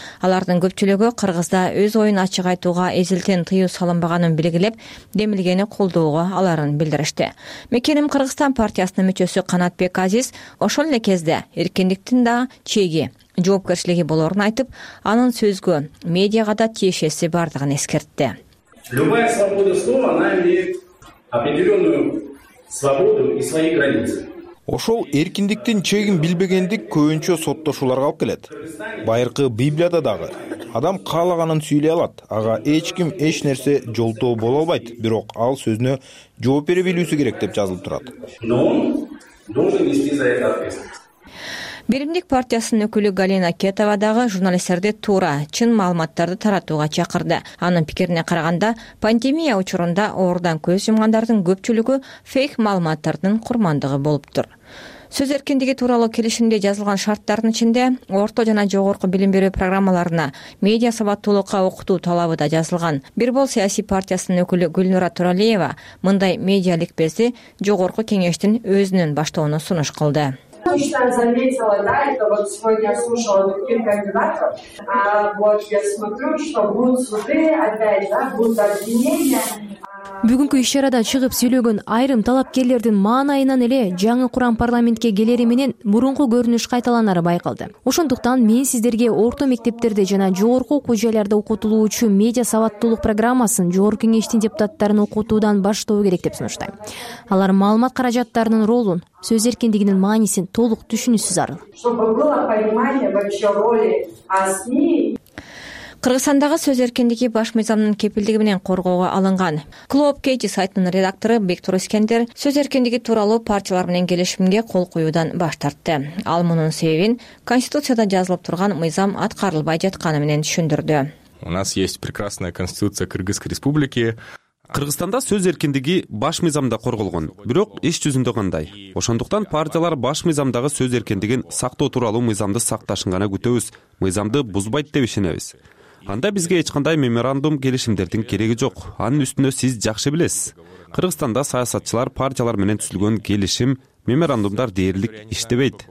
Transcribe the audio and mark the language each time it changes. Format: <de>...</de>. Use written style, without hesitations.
<ky>Алардын көпчүлүгү Кыргызда өз оюн ачык айтууга эзелтен тыюу салынбаганын белгилеп, демилгени колдоого аларын билдиришти. Мекеним Кыргызстан партиясынын мүчөсү Канатбек Азиз ошол эле кезде эркиндиктин да чеги, жоопкерчилиги болорун айтып, анын сөзгө, медиага да тиешеси бардыгын эскертти.</ky> <ru>Любая свобода слова, она имеет определенную свободу и свои границы.</ru> <ky>Ошол эркиндиктин чегин билбегендик көбүнчө соттошууларга алып келет. Байыркы Библияда дагы адам каалаганын сүйлөй алат, ага эч ким эч нерсе жолтоо боло албайт, бирок ал сөзүнө жооп бере билүүсү керек деп жазылып турат.</ky> <ru>Но он должен нести за это ответственность.</ru> <ky>Биримдик партиясынын өкүлү Галина Кетова дагы журналисттерди туура, чын маалыматтарды таратууга чакырды. Анын пикирине караганда, пандемия учурунда оорудан көз жумгандардын көпчүлүгү фейк маалыматтардын курмандыгы болуптур. Сөз эркиндиги тууралуу келишимде жазылган шарттардын ичинде орто жана жогорку билим берүү программаларына медиа сабаттуулукка окутуу талабы да жазылган. Бирбол саясий партиясынын өкүлү Гүлнура Туралиева мындай медиа ликпези жогорку кеңештин өзүнүн баштоону сунуш кылды.</ky> <ru>Лично заметила, да, это вот сегодня я слушала других кандидатов, а вот я смотрю, что будут суды опять, да, будут обвинения.</ru> <ky>Бүгүнкү иш чарада чыгып сүйлөгөн айрым талапкерлердин маанайынан эле жаңы курам парламентке келери менен мурунку көрүнүш кайталанары байкалды. Ошондуктан мен сиздерге орто мектептерде жана жогорку окуу жайларда окутулуучу медиа сабаттуулук программасын жогорку кеңештин депутаттарын окутуудан баштоо керек деп сунуштайм. Алар маалымат каражаттарынын ролун, сөз эркиндигинин маанисин толук түшүнүшсү зарыл. Кыргызстандагы сөз эркиндиги баш мыйзамдын кепилдиги менен коргоого алынган. Клооп Кейти сайтынын редактору Бектур Искендер сөз эркиндиги тууралуу партиялар менен келишимге кол коюудан баш тартты. Ал мунун себебин конституцияда жазылып турган мыйзам аткарылбай жатканы менен түшүндүрдү.</ky> <ru>У нас есть прекрасная конституция Кыргызской Республики.</ru> <ky>Кыргызстанда сөз эркиндиги баш мыйзамда корголгон, бирок иш жүзүндө кандай? Ошондуктан партиялар баш мыйзамдагы сөз эркиндигин сактоо тууралуу мыйзамды сакташын гана күтөбүз. Мыйзамды бузбайт деп ишенебиз. Анда бизге эч кандай меморандум келишимдердин кереги жок. Анын үстүнө сиз жакшы билесиз. Кыргызстанда саясатчылар партиялар менен түзүлгөн келишим, меморандумдар дээрлик иштебейт.</ky>